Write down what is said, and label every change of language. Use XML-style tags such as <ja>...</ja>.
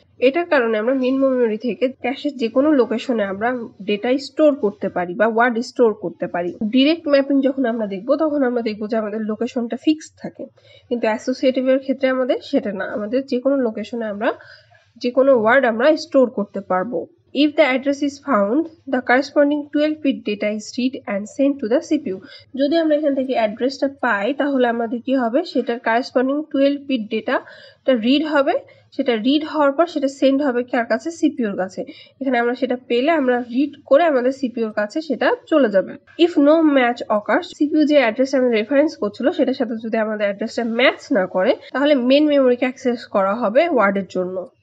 <bn>এটার কারণে আমরা মেইন মেমোরি থেকে ক্যাশের যে কোনো লোকেশনে আমরা ডেটা স্টোর করতে পারি বা ওয়ার্ড স্টোর করতে পারি। ডিরেক্ট ম্যাপিং যখন আমরা দেখব, তখন আমরা দেখব যে আমাদের লোকেশনটা ফিক্সড থাকে, কিন্তু অ্যাসোসিয়েটিভের ক্ষেত্রে আমাদের সেটা না, আমাদের যে কোনো লোকেশনে আমরা যে কোনো ওয়ার্ড আমরা স্টোর করতে পারবো।</bn> <en>If the address is found, the corresponding 12-bit data is read and sent to the CPU.</en> <bn>যদি আমরা এখান থেকে অ্যাড্রেসটা পাই, তাহলে আমাদের কী হবে, সেটার কারেসপন্ডিং 12-bit ডেটাটা রিড হবে, সেটা রিড হওয়ার পর সেটা সেন্ড হবে কার কাছে, সিপিউর কাছে। এখানে আমরা সেটা পেলে আমরা রিড করে আমাদের সিপিউর কাছে সেটা চলে যাবে।</bn> <en>if no match occurs,</en> <bn>CPU যে অ্যাড্রেসটা আমরা রেফারেন্স করছিলো সেটার সাথে যদি আমাদের অ্যাড্রেসটা ম্যাচ না করে, তাহলে মেন মেমোরিকে অ্যাক্সেস করা হবে ওয়ার্ডের জন্য।</bn>